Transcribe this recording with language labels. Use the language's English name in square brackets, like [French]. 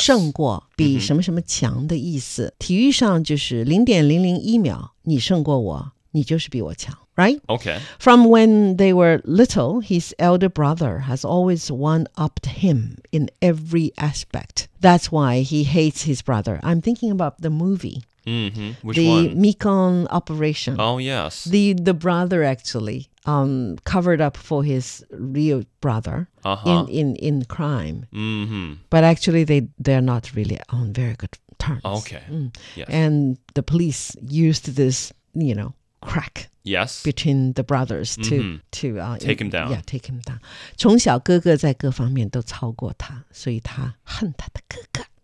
[Chinese] 胜过比什么什么强的意思。 Mm-hmm. 体育上就是0.001秒你胜过我，你就是比我强。 [English] Right? Okay. From when they were little, his elder brother has always one-upped him in every aspect. That's why he hates his brother. I'm thinking about the movie. Mm-hmm. Which the one? The Mekong Operation. Oh, yes. The brother actually covered up for his real brother in crime. Mm-hmm. But actually, they're not really on very good terms. Okay. Mm. Yes. And the police used this, you know, crack. Yes. Between the brothers to take him down. Yeah, take him down. [Chinese] 从小哥哥在各方面都超过他，所以他恨他的哥哥。